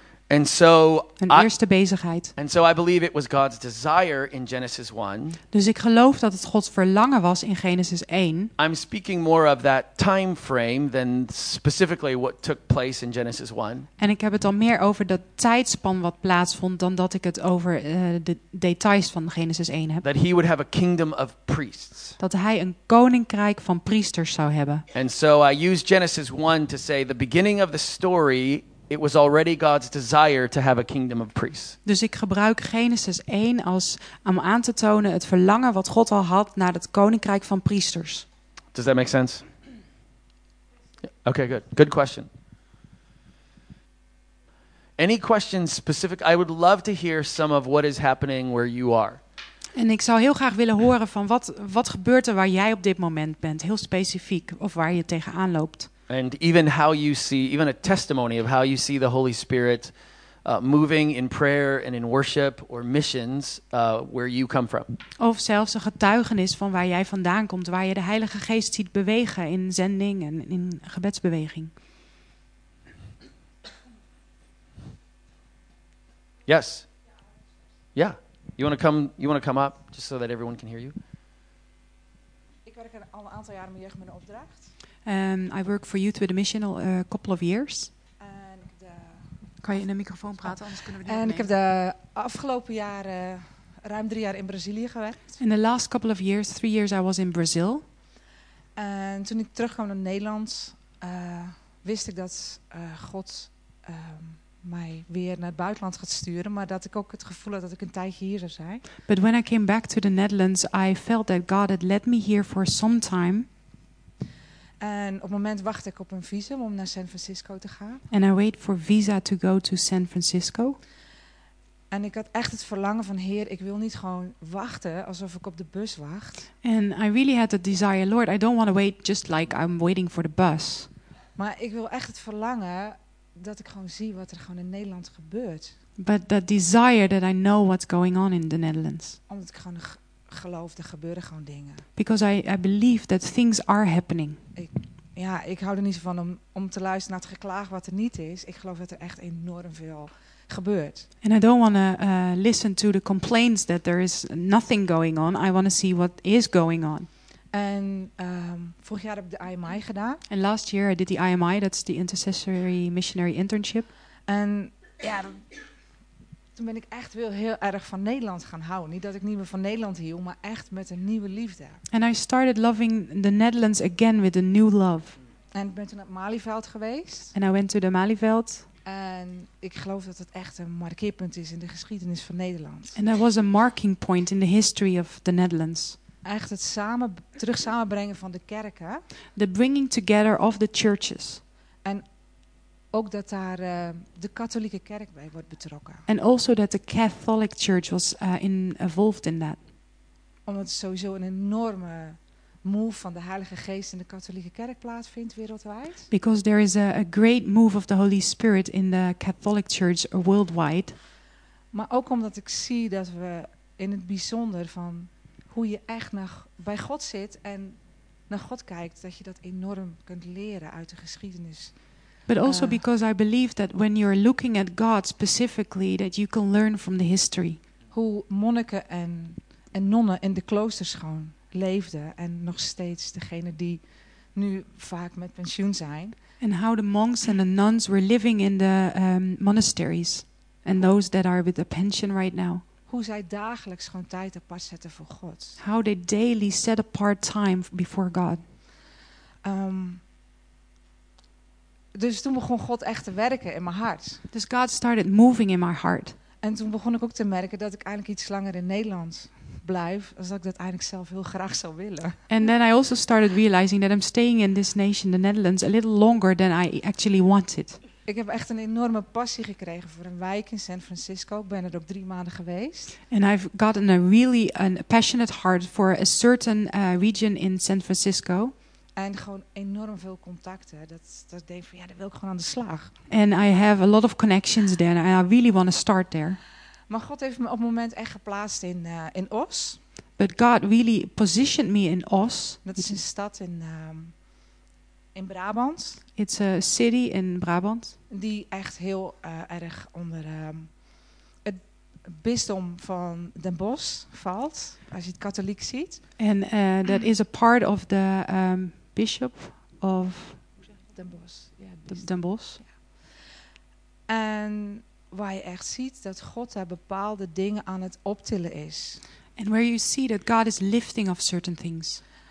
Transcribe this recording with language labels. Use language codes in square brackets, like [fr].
[en] And so [nl] hun eerste bezigheid. [en] And so I believe it was God's desire in Genesis 1. [nl] Dus ik geloof dat het Gods verlangen was in Genesis 1. [en] I'm speaking more of that time frame than specifically what took place in Genesis 1. [nl] En ik heb het al meer over dat tijdspan wat plaatsvond dan dat ik het over de details van Genesis 1 heb. [en] That he would have a kingdom of priests. [nl] Dat hij een koninkrijk van priesters zou hebben. [en] And so I use Genesis 1 to say the beginning of the story. It was already God's desire to have a kingdom of priests. [nl] Dus ik gebruik Genesis 1 als om aan te tonen het verlangen wat God al had naar het koninkrijk van priesters. [en] Does that make sense? Okay, good. Good question. Any questions specific? I would love to hear some of what is happening where you are. [nl] En ik zou heel graag willen horen van wat gebeurt er waar jij op dit moment bent, heel specifiek, of waar je tegenaan loopt. [en] And even how you see, even a testimony of how you see the Holy Spirit moving in prayer and in worship or missions where you come from. [nl] Of zelfs een getuigenis van waar jij vandaan komt, waar je de Heilige Geest ziet bewegen in zending en in gebedsbeweging. [en] Yes. Yeah. You want to come up just so that everyone can hear you. [nl] Ik werk al een aantal jaren met jeugd met een opdracht. [en] I work for Youth with a Mission a couple of years. [nl] En de kan je in de microfoon praten, anders kunnen we niet. En ik heb de afgelopen jaren ruim 3 jaar in Brazilië gewerkt. [en] In the last couple of years, 3 years I was in Brazil. [nl] En toen ik terugkwam naar Nederland, wist ik dat God mij weer naar het buitenland gaat sturen, maar dat ik ook het gevoel had dat ik een tijdje hier zou zijn. [en] But when I came back to the Netherlands, I felt that God had led me here for some time. [nl] En op het moment wacht ik op een visum om naar San Francisco te gaan. [en] And I wait for visa to go to San Francisco. [nl] En ik had echt het verlangen van, Heer, ik wil niet gewoon wachten alsof ik op de bus wacht. [en] And I really had the desire, Lord, I don't want to wait just like I'm waiting for the bus. [nl] Maar ik wil echt het verlangen dat ik gewoon zie wat er gewoon in Nederland gebeurt. [en] But the desire that I know what's going on in the Netherlands. [nl] Omdat ik gewoon geloof, er gebeuren gewoon dingen. [en] Because I believe that things are happening. [nl] Ik hou er niet zo van om te luisteren naar het geklaag wat er niet is. Ik geloof dat er echt enorm veel gebeurt. [en] And I don't want to listen to the complaints that there is nothing going on. I want to see what is going on. [nl] En vorig jaar heb ik de IMI gedaan. [en] And last year I did the IMI, that's the Intercessory Missionary Internship. [nl] En ja, toen ben ik echt wel heel erg van Nederland gaan houden. Niet dat ik niet meer van Nederland hield, maar echt met een nieuwe liefde. [en] And I started loving the Netherlands again with a new love. [nl] En ik ben toen naar het Malieveld geweest. [en] And I went to the Malieveld. [nl] En ik geloof dat het echt een markeerpunt is in de geschiedenis van Nederland. [en] And that was a marking point in the history of the Netherlands. [nl] Echt het samen, terug samenbrengen van de kerken. [en] The bringing together of the churches. [nl] En ook dat daar de katholieke kerk bij wordt betrokken. [en] And also that the Catholic Church was involved in that. [nl] Omdat het sowieso een enorme move van de Heilige Geest in de katholieke kerk plaatsvindt wereldwijd. [en] Because there is a great move of the Holy Spirit in the Catholic Church worldwide. [nl] Maar ook omdat ik zie dat we in het bijzonder van hoe je echt nog bij God zit en naar God kijkt, dat je dat enorm kunt leren uit de geschiedenis. [en] But also because I believe that when you're looking at God specifically, that you can learn from the history. [nl] Hoe monniken en nonnen in de kloosters gewoon leefden en nog steeds degene die nu vaak met pensioen zijn. [en] And how the monks and the nuns were living in the monasteries and those that are with a pension right now. [nl] Hoe zij dagelijks gewoon tijd apart zetten voor God. [en] How they daily set apart time before God. [nl] Dus toen begon God echt te werken in mijn hart. Dus [en] God started moving in my heart. [nl] En toen begon ik ook te merken dat ik eigenlijk iets langer in Nederland blijf, als dat ik dat eigenlijk zelf heel graag zou willen. [en] And then I also started realizing that I'm staying in this nation, the Netherlands, a little longer than I actually wanted. [nl] Ik heb echt een enorme passie gekregen voor een wijk in San Francisco. Ik ben er ook 3 maanden geweest. [en] And I've gotten a really an passionate heart for a certain region in San Francisco. [nl] En gewoon enorm veel contacten. Dat denk van ja, daar wil ik gewoon aan de slag. [en] And I have a lot of connections there and I really want to start there. [nl] Maar God heeft me op het moment echt geplaatst in Oss. [en] But God really positioned me in Oss. [nl] Dat is een stad in Brabant. [en] It's a city in Brabant. [nl] Die echt heel erg onder het bisdom van Den Bosch valt, als je het katholiek ziet. [en] And that is a part of the bishop of Den Bosch. Den Bosch. [nl] En waar je echt ziet dat God daar bepaalde dingen aan het optillen is. [en] And where you see that God is lifting of certain things.